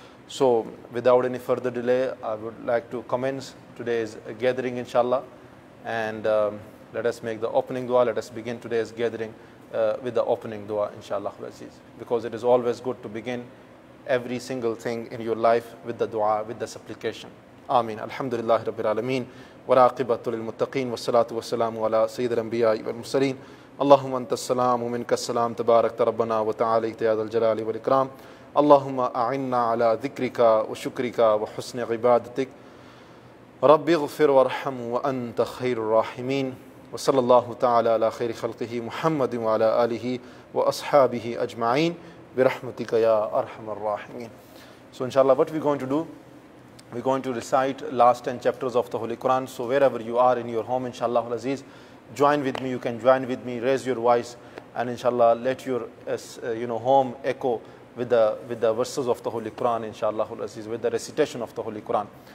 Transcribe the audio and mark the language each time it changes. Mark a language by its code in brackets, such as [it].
[en] So, without any further delay, I would like to commence today's gathering, inshallah. And let us make the opening dua. Let us begin today's gathering with the opening dua, inshallah, al-Aziz. Because it is always good to begin every single thing in your life with the dua, with the supplication. [ar] Ameen. Alhamdulillah, Rabbil Alameen. والعاقبة للمتقين والصلاة والسلام على سيد الأنبياء والمرسلين اللهم أنت السلام ومنك السلام تبارك ربنا وتعاليت يا ذا الجلال والإكرام اللهم أعنا على ذكرك وشكرك وحسن عبادتك رب اغفر وارحم وأنت خير الراحمين وصلى الله تعالى على خير خلقه محمد وعلى آله وأصحابه أجمعين برحمتك يا أرحم الراحمين [en] So inshallah, what we're going to do? We're going to recite last 10 chapters of the Holy Quran. So wherever you are in your home, inshallah, al-Aziz, join with me. You can join with me. Raise your voice and inshallah, let your home echo with the verses of the Holy Quran, inshallah, al-Aziz, with the recitation of the Holy Quran.